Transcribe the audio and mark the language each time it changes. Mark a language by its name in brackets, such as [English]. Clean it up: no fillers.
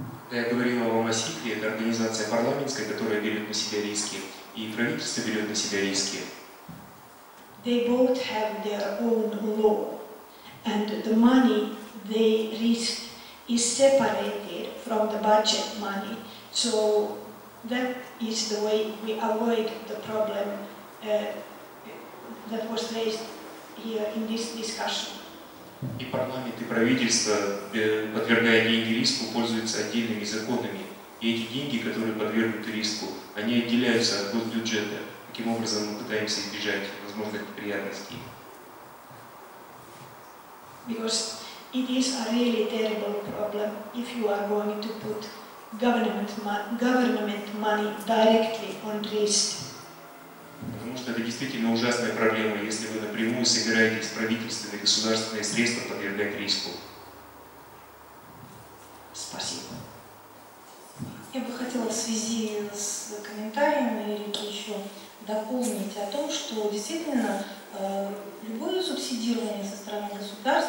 [Russian] Я говорила вам о СИКРе, это организация парламентская, которая берет на себя риски, и правительство берет на себя риски. [English] They both have their own law, and the money they risk is separated from the budget money. So that is the way we avoid the problem that was raised here in this discussion. [Russian] И парламент, и правительство, подвергая деньги риску, пользуются отдельными законами. И эти деньги, которые подвергнуты риску, они отделяются от госбюджета. Таким образом, мы пытаемся избежать возможных неприятностей. [English] Because it is a really terrible problem if you are going to put government money directly on risk. [Russian] Потому что это действительно ужасная проблема, если вы напрямую собираетесь правительственные государственные средства подвергать риску. Спасибо. Я бы хотела в связи с комментариями Эрики еще дополнить о том, что действительно любое субсидирование со стороны государства